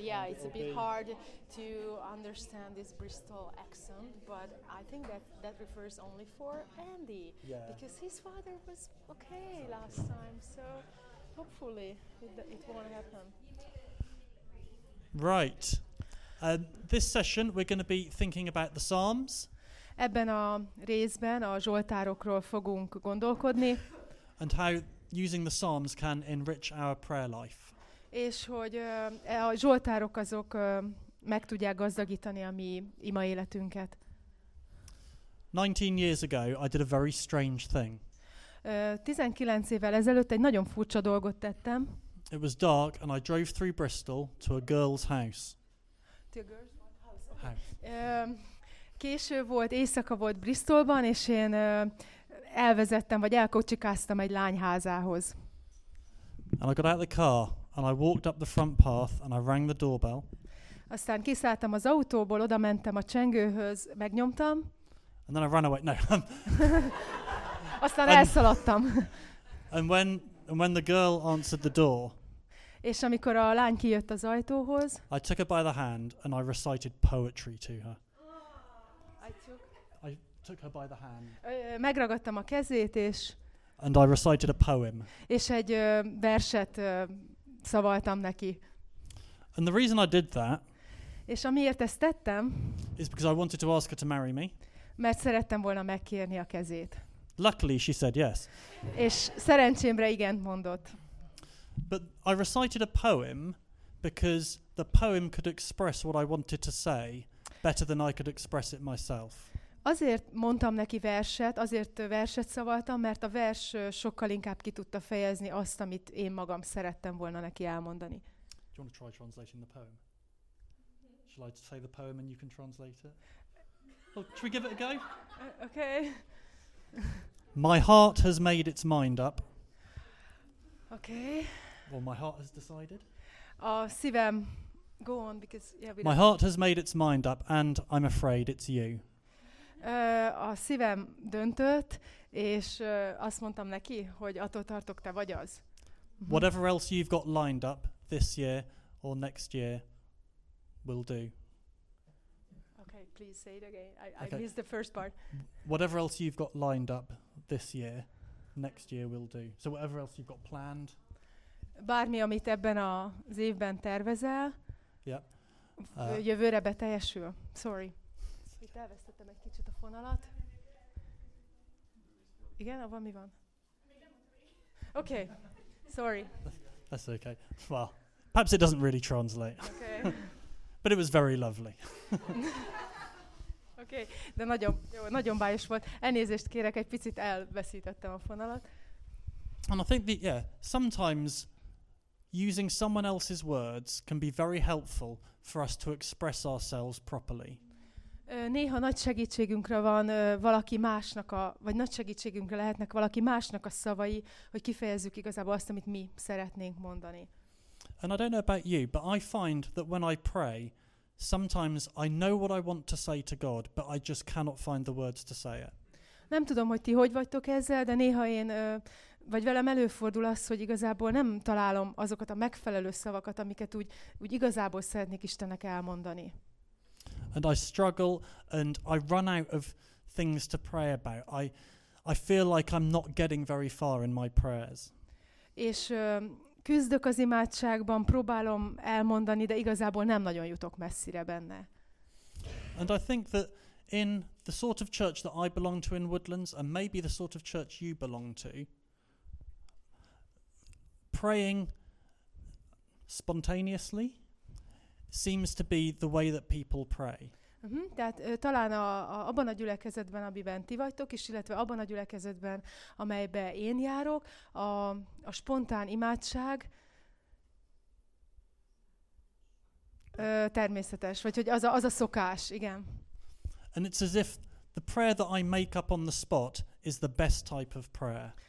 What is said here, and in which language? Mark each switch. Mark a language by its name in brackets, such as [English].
[English] It's a bit hard to understand this Bristol accent, but I think that refers only for Andy, because his father was okay last time, so hopefully it won't happen. Right. This session we're going to be thinking about the Psalms. [Hungarian] Ebben a részben a Zsoltárokról fogunk gondolkodni. [English] And how using the Psalms can enrich our prayer life. [Hungarian] És hogy a zsoltárok azok meg tudják gazdagítani a mi ima életünket. [English] 19 years ago I did a very strange thing. [Hungarian] 19 évvel ezelőtt egy nagyon furcsa dolgot tettem. [English] It was dark and I drove through Bristol to a girl's house. To a girl's house. [Hungarian] Késő volt, éjszaka volt Bristolban, és én elvezettem vagy elkocsikáztam egy lányházához. [English] And I got out the car and I walked up the front path and I rang the doorbell. [Hungarian] Aztán kiszálltam az autóból, oda mentem a csengőhöz, megnyomtam. [English] And then I ran away. No. [Hungarian] Aztán elszaladtam. [English] And when the girl answered the door. [Hungarian] És amikor a lány kijött az ajtóhoz. [English] I took her by the hand and I recited poetry to her. Took her by the hand. [Hungarian] Megragadtam a kezét és. [English] And I recited a poem. [Hungarian] És egy verset szavaltam neki. [English] And the reason I did that. [Hungarian] És amiért ezt tettem. [English] Is because I wanted to ask her to marry me. [Hungarian] Mert szerettem volna megkérni a kezét. [English] Luckily, she said yes. [Hungarian] És szerencsémre igent mondott. [English] But I recited a poem because the poem could express what I wanted to say better than I could express it myself. [Hungarian] Azért mondtam neki verset, azért verset szavaltam, mert a vers sokkal inkább ki tudta fejezni azt, amit én magam szerettem volna neki elmondani. [English] Do you want to try translating the poem? Shall I say the poem and you can translate it? Well, should we give it a go? Okay. My heart has made its mind up. Okay. Well, my heart has decided. Oh, Sivam, go on, because... yeah. My heart has made its mind up, and I'm afraid it's you. [Hungarian] A szívem döntött, és azt mondtam neki, hogy attól tartok, te vagy az. [English] Whatever else you've got lined up this year or next year will do. Okay, please say it again. I missed the first part. Whatever else you've got lined up this year, next year will do. So whatever else you've got planned. [Hungarian] Bármi, amit ebben az évben tervezel, jövőre beteljesül. [English] Sorry. [Hungarian] Itt elvesztettem egy kicsit a fonalat. Igen, abban mi van? [English] Okay. Sorry. That's okay. Well, perhaps it doesn't really translate. Okay. But it was very lovely. Okay. [Hungarian] De nagyon jó, nagyon bájos volt. Elnézést kérek, egy picit elveszítettem a fonalat. [English] And I think that, yeah, sometimes using someone else's words can be very helpful for us to express ourselves properly. [Hungarian] Néha nagy segítségünkre van valaki másnak a, vagy nagy segítségünkre lehetnek valaki másnak a szavai, hogy kifejezzük igazából azt, amit mi szeretnénk mondani. [English] And I don't know about you, but I find that when I pray, sometimes I know what I want to say to God, but I just cannot find the words to say it. [Hungarian] Nem tudom, hogy ti hogy vagytok ezzel, de néha én, vagy velem előfordul az, hogy igazából nem találom azokat a megfelelő szavakat, amiket úgy igazából szeretnék Istennek elmondani. [English] And I struggle and I run out of things to pray about. I feel like I'm not getting very far in my prayers. [Hungarian] És küzdök az imádságban, próbálom elmondani, de igazából nem nagyon jutok messzire benne. [English] And I think that in the sort of church that I belong to in Woodlands, and maybe the sort of church you belong to, praying spontaneously seems to be the way that people pray. Mm-hmm. [Hungarian] Tehát talán abban a gyülekezetben, amiben ti vagytok, és illetve abban a gyülekezetben, amelybe én járok, a spontán imádság természetes, vagy hogy az a szokás, igen. [English] And it's as if the prayer that I make up on the spot is the best type of prayer.